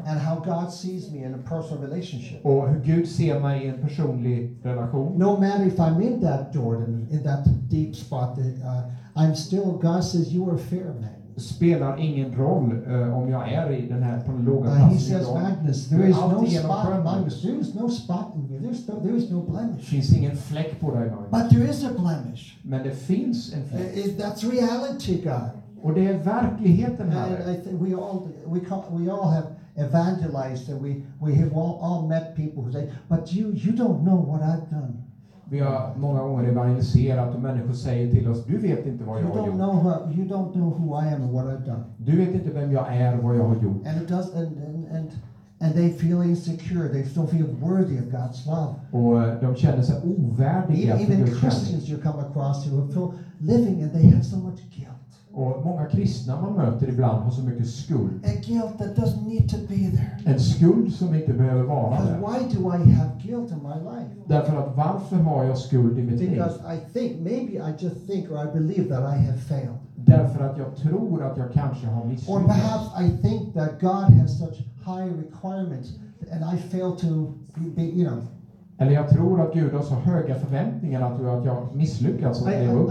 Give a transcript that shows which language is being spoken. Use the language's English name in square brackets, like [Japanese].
[English] And how God sees me in a personal relationship. [Swedish] Och hur Gud ser mig i en personlig relation. [English] No matter if I'm in that Jordan, in that deep spot, I'm still, God says, you are a fair man. [Swedish] Spelar ingen roll om jag är i den här på den låga platsen. [English] He says, Magnus, there is no spot in you. There is no blemish. [Swedish] Finns ingen fläck på dig, Magnus. [English] But there is a blemish. [Swedish] Men det finns en fläck. [English] That's reality, God. [Swedish] Och det är verkligheten här. [English] We all have evangelized and we have all met people who say, but you don't know what I've done. [Swedish] Vi har många gånger evangeliserat och människor säger till oss, du vet inte vad jag har gjort. [English] You don't know who I am and what I've done. [Swedish] Du vet inte vem jag är och vad jag har gjort. [English] And it does and they feel insecure. They still feel worthy of God's love. [Swedish] Och de känner sig ovärdiga. [English] Even Christians you come across who feel living and they have so much guilt. [Swedish] Och många kristna man möter ibland har så mycket skuld. [English] A guilt that doesn't need to be there. [Swedish] En skuld som inte behöver vara där. [English] Why do I have guilt in my life? [Swedish] Därför att varför har jag skuld i mitt liv? [English] Because I think, maybe I just think or I believe that I have failed. [Swedish] Därför att jag tror att jag kanske har misslyckats. [English] Or perhaps I think that God has such high requirements and I fail to be, you know. [Swedish] Eller jag tror att Gud har så höga förväntningar att jag misslyckats och lever upp